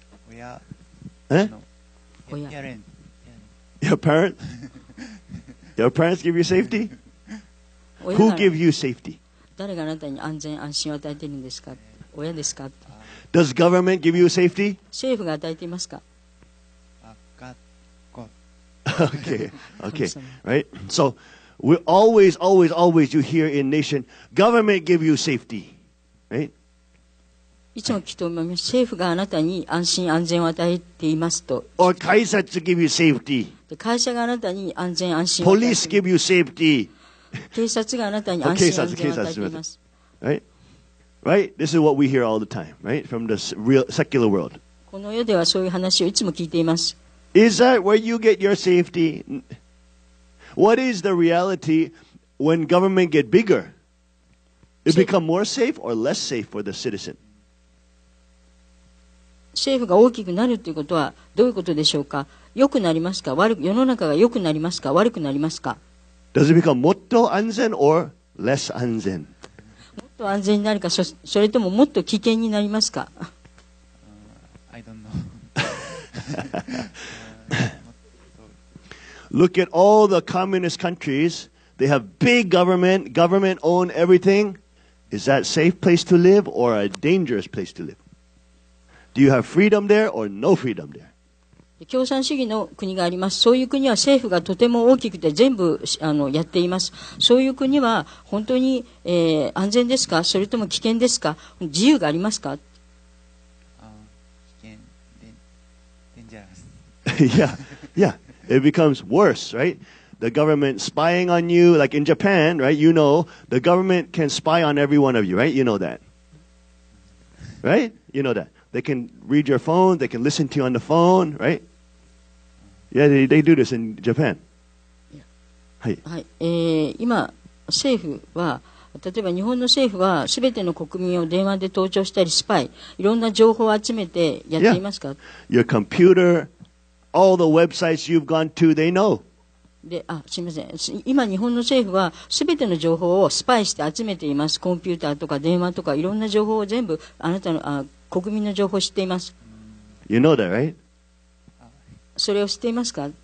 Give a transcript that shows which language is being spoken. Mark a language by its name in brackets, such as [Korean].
[English] Your parents give you safety? Who give you safety? [Japanese] 誰があなたに安全安心を与えているんですか？親ですか？ [English] Does government give you safety? [Japanese] 政府が与えていますか？ [English] Okay, right? So we always you hear in nation, government give you safety, right? [Japanese] いつも聞いております。政府があなたに安心安全を与えていますと。 [English] Or 会社 to give you safety. [Japanese] 会社があなたに安全安心を与えています。 [English] Police give you safety. [Japanese] 警察があなたに安心安全を与えています。 [English] Right? This is what we hear all the time, right? From the real secular world. [Japanese] この世ではそういう話をいつも聞いています。 [English] Is that where you get your safety? What is the reality when government get bigger? It become more safe or less safe for the citizen? [Japanese] 政府が大きくなるということはどういうことでしょうか。良くなりますか。世の中が良くなりますか。悪くなりますか。 [English] Does it become [Japanese] もっと安全 [English] or less 安全。 [Japanese] もっと安全になるか、それとももっと危険になりますか。 [English] I don't know. Look at all the communist countries. They have big government. Government own everything. Is that safe place to live or a dangerous place to live? Do you have freedom there or no freedom there? [Japanese] 共産主義の国があります。そういう国は政府がとても大きくて全部やっています。そういう国は本当に安全ですか? それとも危険ですか?自由がありますか? 危険、dangerous. [English] Yeah, yeah. It becomes worse, right? The government spying on you, like in Japan, right? You know, the government can spy on every one of you, right? You know that. Right? You know that. They can read your phone, they can listen to you on the phone, right? Yeah, they do this in Japan. Yeah. [Japanese] 今、政府は、例えば日本の政府は、すべての国民を電話で盗聴したり、スパイ、いろんな情報を集めてやっていますか? [English] Your computer, all the websites you've gone to, they know. [Japanese] であ、すみません。今、日本の政府は、すべての情報をスパイして集めています。コンピューターとか電話とか、いろんな情報を全部、あなたの、国民の情報を知っています。 [English] You know that, right? [Japanese] それを知っていますか?